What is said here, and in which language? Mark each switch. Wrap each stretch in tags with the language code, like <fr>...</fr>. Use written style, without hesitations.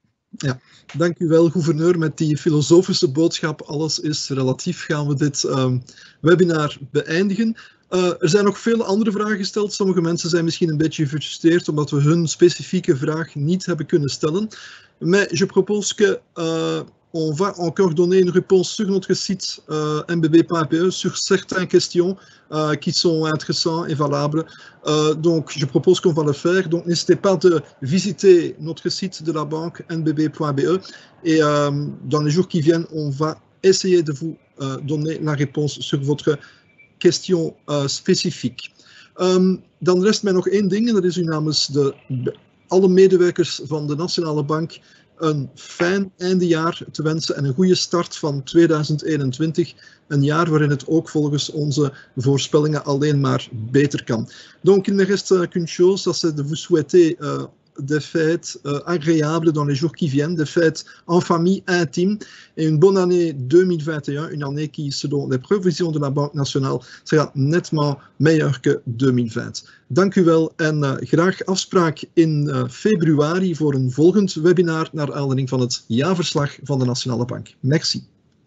<nl>Ja, dank u wel, gouverneur, met die filosofische boodschap. Alles is relatief, gaan we dit webinar beëindigen. Er zijn nog veel andere vragen gesteld. Sommige mensen zijn misschien een beetje gefrustreerd omdat we hun specifieke vraag niet hebben kunnen stellen.</nl> <fr>Mais je propose que on va encore donner une réponse sur notre site mbb.be sur certaines questions qui sont intéressantes et valables. Donc, je propose qu'on va le faire. Donc, n'hésitez pas de visiter notre site de la banque mbb.be et dans les jours qui viennent, on va essayer de vous donner la réponse sur votre question spécifique.</fr> <nl>Dan rest mij nog één ding en dat is u namens alle medewerkers van de Nationale Bank een fijn eindejaar te wensen en een goede start van 2021. Een jaar waarin het ook volgens onze voorspellingen alleen maar beter kan.</nl> <fr>Donc, il ne reste qu'une chose, dat c'est de vous souhaiter des fêtes agréables dans les jours qui viennent, des fêtes en famille, intimes, et une bonne année 2021, une année qui, selon les prévisions de la Banque Nationale, sera nettement meilleure que 2020.</fr> <nl>Dank u wel en graag afspraak in februari voor een volgend webinar naar aanleiding van het jaarverslag van de Nationale Bank. Merci.</nl>